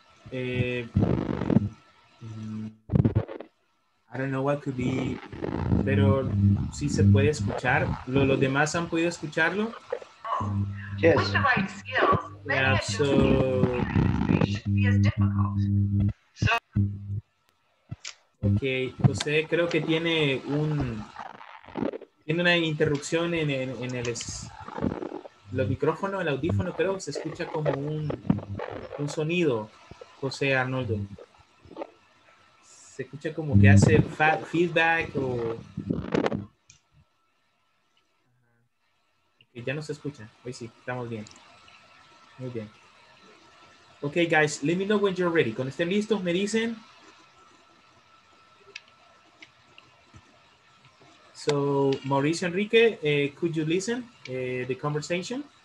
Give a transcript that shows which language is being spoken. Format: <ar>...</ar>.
<en>I don't know what could be,</en> <es>pero sí se puede escuchar. ¿Los demás han podido escucharlo?</es> <en>Oh, yes. With the right skills, maybe I should be as difficult.</en> <es>Ok, José, creo que tiene una interrupción en los micrófonos, el audífono, creo que se escucha como un sonido, José Arnoldo. Se escucha como que hace feedback o... Okay, ya no se escucha, hoy sí, estamos bien. Muy bien.</es> <en>Ok, guys, let me know when you're ready.</en> <es>Cuando estén listos, me dicen...</es> <en>So, Mauricio Enrique, could you listen to the conversation?</en>